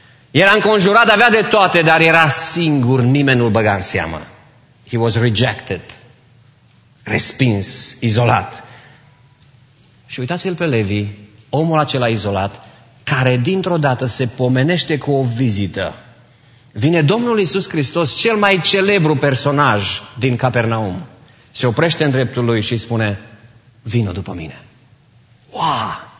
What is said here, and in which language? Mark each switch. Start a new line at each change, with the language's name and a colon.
Romanian: Era înconjurat, avea de toate, dar era singur, nimeni nu-l băga în seamă.
English: He was rejected,
Romanian: respins, izolat. Și uitați-l pe Levi, omul acela izolat, care dintr-o dată se pomenește cu o vizită. Vine Domnul Iisus Hristos, cel mai celebru personaj din Capernaum. Se oprește în dreptul lui și spune, vină după mine. Wow!